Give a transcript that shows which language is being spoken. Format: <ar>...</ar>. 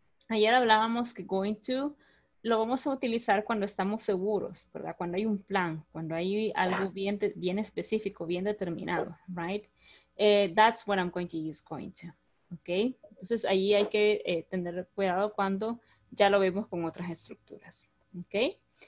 <es>Ayer hablábamos que going to lo vamos a utilizar cuando estamos seguros, ¿verdad? Cuando hay un plan, cuando hay algo bien, bien específico, bien determinado, right?</es> <en>That's what I'm going to use going to, okay?</en> <es>Entonces, ahí hay que tener cuidado cuando ya lo vemos con otras estructuras, okay?</es>